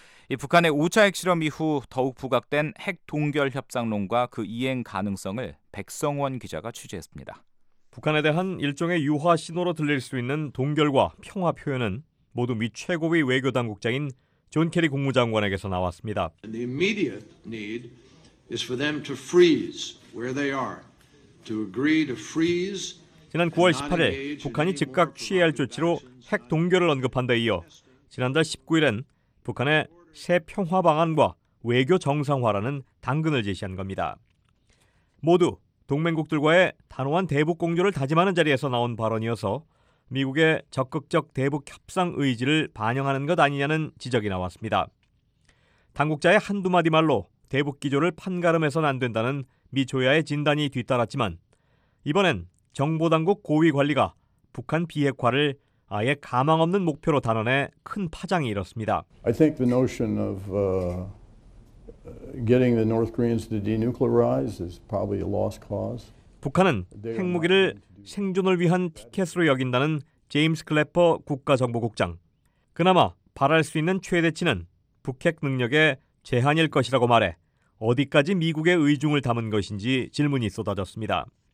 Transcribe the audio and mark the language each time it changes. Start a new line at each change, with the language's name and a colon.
Korean: 이 북한의 5차 핵실험 이후 더욱 부각된 핵 동결 협상론과 그 이행 가능성을 백성원 기자가 취재했습니다. 북한에 대한 일종의 유화 신호로 들릴 수 있는 동결과 평화 표현은 모두 미 최고위 외교 당국장인 존 케리 국무장관에게서 나왔습니다.
English: The immediate need is for them to freeze where they are, to agree to freeze.
Korean: 지난 9월 18일 북한이 즉각 취해야 할 조치로 핵 동결을 언급한 데 이어 지난달 19일엔 북한의 새 평화 방안과 외교 정상화라는 당근을 제시한 겁니다. 모두 동맹국들과의 단호한 대북 공조를 다짐하는 자리에서 나온 발언이어서 미국의 적극적 대북 협상 의지를 반영하는 것 아니냐는 지적이 나왔습니다. 당국자의 한두 마디 말로 대북 기조를 판가름해서는 안 된다는 미 조야의 진단이 뒤따랐지만 이번엔 정보당국 고위 관리가 북한 비핵화를 아예 가망 없는 목표로 단언해 큰 파장이 일었습니다.
English: I think the notion of getting the North Koreans to denuclearize is probably a lost cause.
Korean: 북한은 핵무기를 생존을 위한 티켓으로 여긴다는 제임스 클래퍼 국가정보국장. 그나마 바랄 수 있는 최대치는 북핵 능력의 제한일 것이라고 말해 어디까지 미국의 의중을 담은 것인지 질문이 쏟아졌습니다.